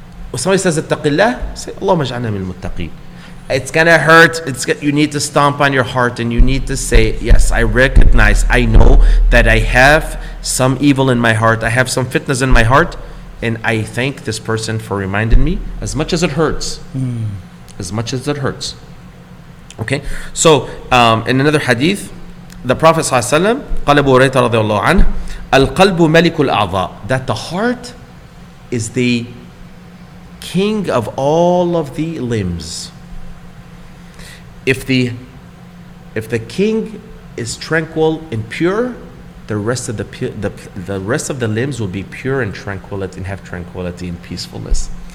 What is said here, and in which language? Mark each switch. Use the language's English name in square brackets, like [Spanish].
[English] When somebody says attaqillah, say [Arabic] Allahumma ij'alna min al-muttaqeen. [English] It's gonna hurt. You need to stomp on your heart and you need to say, yes, I recognize, I know that I have some evil in my heart. I have some fitness in my heart. And I thank this person for reminding me, as much as it hurts. As much as it hurts. Okay? So, in another hadith, the Prophet ﷺ, [Arabic] قَلَبُ وَرَيْتَ رَضَيَ اللَّهُ عَنْهُ الْقَلْبُ مَلِكُ الْأَعْضَى. [English] That the heart is the king of all of the limbs. If the king is tranquil and pure, the rest of the limbs will be pure and tranquil and have tranquility and peacefulness.